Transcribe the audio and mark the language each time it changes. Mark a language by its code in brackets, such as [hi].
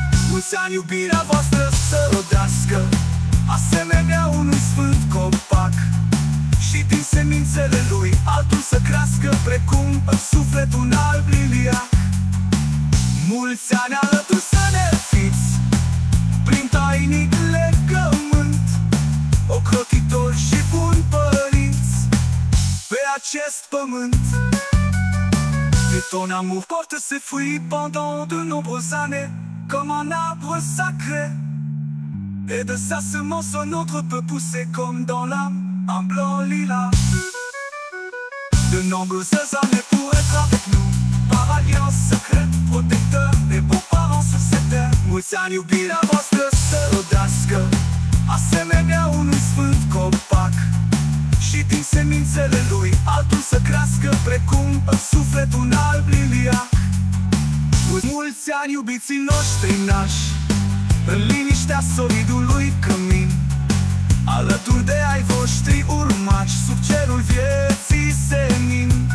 [ro] Mulți ani iubirea voastră să rodească, asemenea unui sfânt copac, și din semințele lui altul să crească, precum în suflet un alb liliac. Mulți ani alături să ne fiți, prin tainic legământ, ocrotitor și bun părinți pe acest pământ. [fr] De ton amour porte ses fruits pendant de nombreuses années, comme un arbre sacré. Et de sa semence, un autre peut pousser comme dans l'âme, un blanc lilas. De nombreuses années pour être avec nous, par alliance secrète, protecteur des beaux parents sur cette terre. [ro] Mulți ani iubirea voastră să rodească, asemenea unui sfânt copac, și din semințele lui altul să crească, precum în suflet un alb liliac. Mulți ani iubiții noștri nași, în liniștea solidului cămin, alături de ai voștri urmași, sub cerul vieții senin.